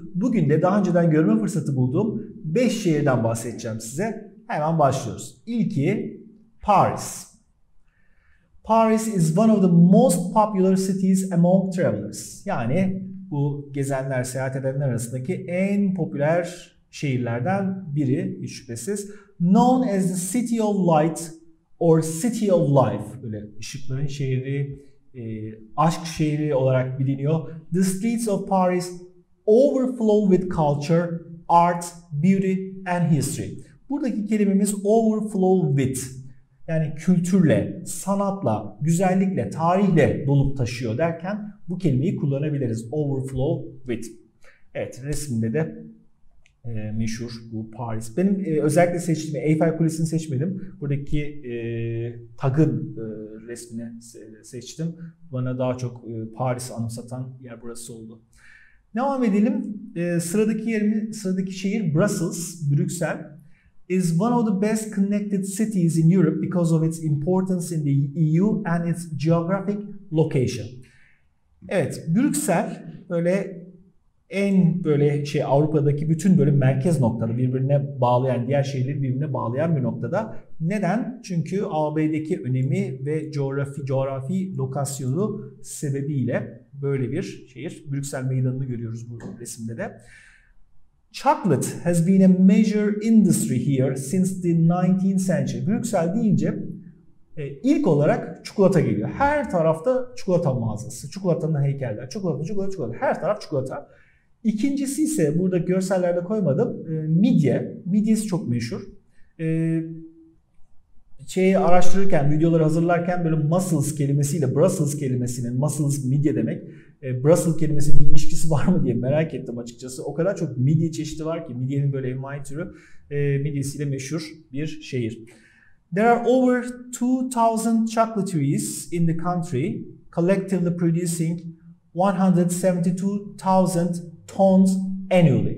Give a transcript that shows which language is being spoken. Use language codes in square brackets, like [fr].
[tr] Bugün de daha önceden görme fırsatı bulduğum 5 şehirden bahsedeceğim size. Hemen başlıyoruz. İlki Paris. [en] Paris is one of the most popular cities among travelers. [tr] Yani bu gezenler, seyahat edenler arasındaki en popüler şehirlerden biri hiç şüphesiz. [en] Known as the City of Light or City of Life. [tr] Böyle ışıkların şehri, aşk şehri olarak biliniyor. [en] The streets of Paris overflow with culture, art, beauty and history. [tr] Buradaki kelimemiz overflow with. Yani kültürle, sanatla, güzellikle, tarihle dolup taşıyor derken bu kelimeyi kullanabiliriz. Overflow with. Evet, resimde de meşhur bu Paris. Benim özellikle seçtiğim Eiffel Kulesi'ni seçmedim. Buradaki tagın resmini seçtim. Bana daha çok Paris anımsatan yer burası oldu. Devam edelim. Sıradaki şehir Brussels, Brüksel. [en] Is one of the best connected cities in Europe because of its importance in the EU and its geographic location. [tr] Evet, Brüksel böyle en böyle şey Avrupa'daki bütün böyle merkez noktada birbirine bağlayan, diğer şehirleri birbirine bağlayan bir noktada. Neden? Çünkü AB'deki önemi ve coğrafi lokasyonu sebebiyle böyle bir şehir. Brüksel meydanını görüyoruz bu resimde de. [en] Chocolate has been a major industry here since the 19th century. [tr] Brüksel deyince ilk olarak çikolata geliyor. Her tarafta çikolata mağazası, çikolatanın heykeller, çikolata, çikolata, çikolata. Her taraf çikolata. İkincisi ise burada görsellerde koymadım. Midye. Midyesi çok meşhur. Şeyi araştırırken, videoları hazırlarken böyle muscles kelimesiyle Brussels kelimesinin muscles midye demek. Brussels kelimesinin bir ilişkisi var mı diye merak ettim açıkçası. O kadar çok midye çeşidi var ki midyenin böyle envai türü. Midyesiyle meşhur bir şehir. [en] There are over 2000 chocolate trees in the country collectively producing 172,000 tons annually.